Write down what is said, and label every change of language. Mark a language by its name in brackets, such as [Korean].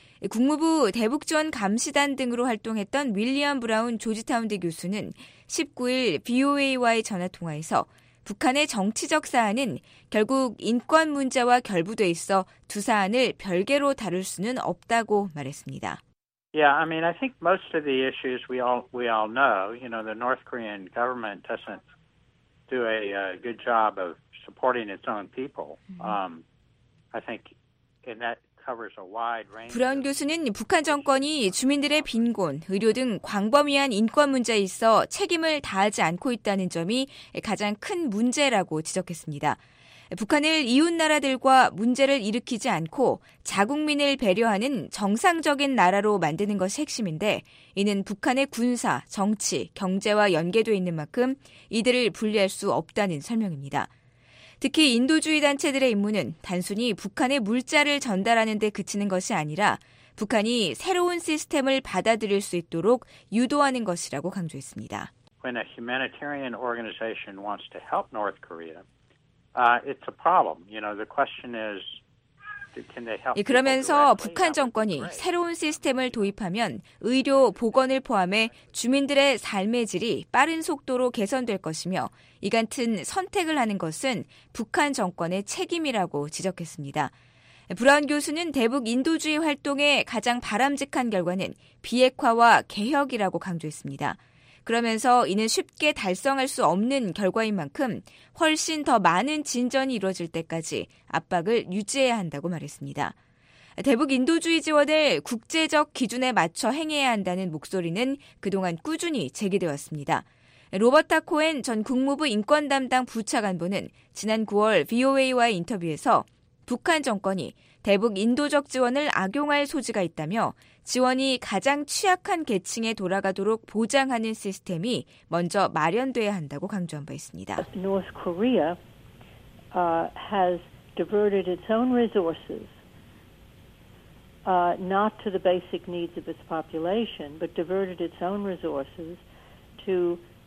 [Korean] 국무부 대북지원감시단 등으로 활동했던 윌리엄 브라운 조지타운대 교수는 19일 BOA와의 전화통화에서 북한의 정치적 사안은 결국 인권 문제와 결부돼 있어 두 사안을 별개로 다룰 수는 없다고 말했습니다. [English] Yeah, I mean, I think most of the issues we all know, you know, the North Korean government doesn't do a good job of supporting its own people. I think in that [Korean] 브라운 교수는 북한 정권이 주민들의 빈곤, 의료 등 광범위한 인권 문제에 있어 책임을 다하지 않고 있다는 점이 가장 큰 문제라고 지적했습니다. 북한을 이웃나라들과 문제를 일으키지 않고 자국민을 배려하는 정상적인 나라로 만드는 것이 핵심인데 이는 북한의 군사, 정치, 경제와 연계돼 있는 만큼 이들을 분리할 수 없다는 설명입니다. 특히 인도주의 단체들의 임무는 단순히 북한의 물자를 전달하는 데 그치는 것이 아니라 북한이 새로운 시스템을 받아들일 수 있도록 유도하는 것이라고 강조했습니다. [English] When a humanitarian organization wants to help North Korea, it's a problem. You know, the question is [Korean] 그러면서 북한 정권이 새로운 시스템을 도입하면 의료, 보건을 포함해 주민들의 삶의 질이 빠른 속도로 개선될 것이며 이 같은 선택을 하는 것은 북한 정권의 책임이라고 지적했습니다. 브라운 교수는 대북 인도주의 활동의 가장 바람직한 결과는 비핵화와 개혁이라고 강조했습니다. 그러면서 이는 쉽게 달성할 수 없는 결과인 만큼 훨씬 더 많은 진전이 이루어질 때까지 압박을 유지해야 한다고 말했습니다. 대북 인도주의 지원을 국제적 기준에 맞춰 행해야 한다는 목소리는 그동안 꾸준히 제기되었습니다. 로버트 타코엔 전 국무부 인권 담당 부차관보는 지난 9월 VOA와의 인터뷰에서 북한 정권이 대북 인도적 지원을 악용할 소지가 있다며 지원이 가장 취약한 계층에 돌아가도록 보장하는 시스템이 먼저 마련돼야 한다고 강조한 바 있습니다. [English] North Korea has diverted its own resources not to the basic needs of its population, but diverted its own resources to